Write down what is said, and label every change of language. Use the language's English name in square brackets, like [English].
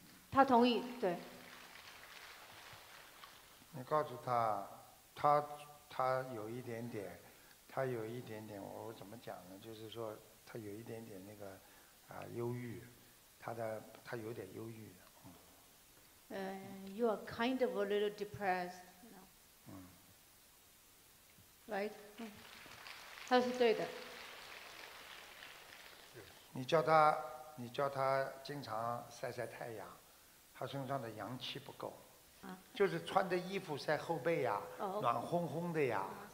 [Chinese] 他同意，对。你告诉他，他有一点点，他有一点点，我怎么讲呢？就是说，他有一点点那个忧郁，他有点忧郁。 [English] You are kind of a little depressed, you know. Right? [Chinese] 他是对的。你叫他经常晒晒太阳，他身上的阳气不够。就是穿着衣服晒后背呀，暖烘烘的呀。